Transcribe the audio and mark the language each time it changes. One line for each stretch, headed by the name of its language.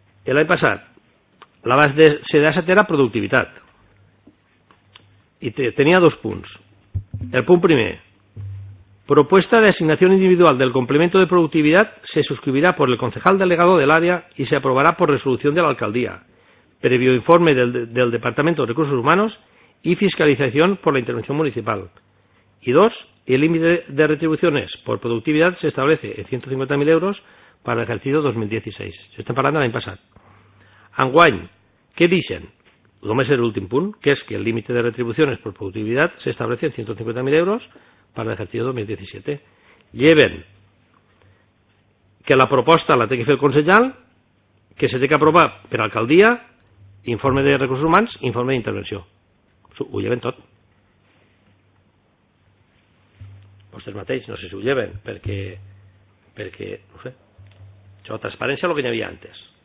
Catalan: L'any passat la base de CDSAT era productivitat i tenia dos punts. El punt primer,
Spanish: propuesta de asignación individual del complemento de productividad se suscribirá por el concejal delegado del área y se aprobará por resolución de la alcaldía, previo informe del Departamento de Recursos Humanos y fiscalización por la intervención municipal. Y dos, el límite de retribuciones por productividad se establece en 150.000 euros para el ejercicio 2016.
Catalan: Se están parlant de l'any passat. Enguany, què dicen? Només el últim punt, que és que
Spanish: el límite de retribuciones por productividad se establece en 150.000 euros para el ejercicio 2017.
Catalan: Lleven que la proposta la té que fer el concejal, que se té que aprovar per alcaldia, informe de recursos humans, informe d'intervenció. Ho lleven tot. Vostès mateix, no sé si ho lleven, perquè, no sé, això, transparència, el que hi havia antes.